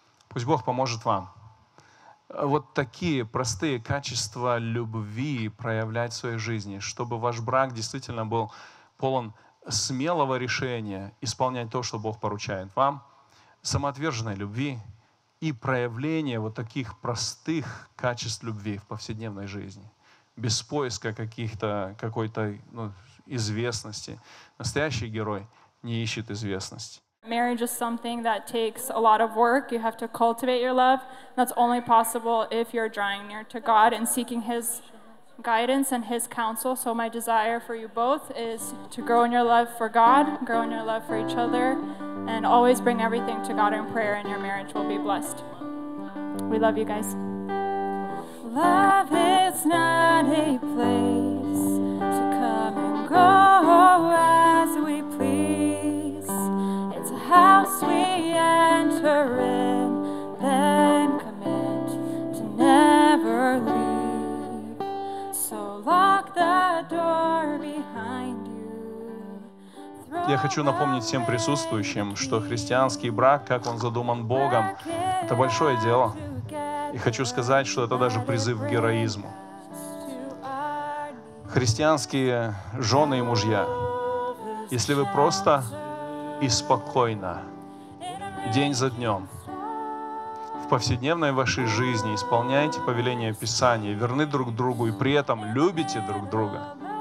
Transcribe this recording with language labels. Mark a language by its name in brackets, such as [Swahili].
[Russian] Пусть Бог поможет вам вот такие простые качества любви проявлять в своей жизни, чтобы ваш брак действительно был полон смелого решения исполнять то, что Бог поручает вам, самоотверженной любви и проявления вот таких простых качеств любви в повседневной жизни, без поиска какой-то известности. Настоящий герой не ищет известности. [English] Marriage is something that takes a lot of work. You have to cultivate your love. That's only possible if you're drawing near to God and seeking His guidance and His counsel. So my desire for you both is to grow in your love for God, grow in your love for each other, and always bring everything to God in prayer, and your marriage will be blessed. We love you guys. Love is not a place to come and go as we please. House we enter in, then commit to never leave. So lock the door behind you. [Russian] Я хочу напомнить всем присутствующим, что христианский брак, как он задуман Богом, это большое дело. И хочу сказать, что это даже призыв к героизму. Христианские жены и мужья, если вы просто и спокойно, день за днем, в повседневной вашей жизни исполняете повеления Писания, верны друг другу и при этом любите друг друга.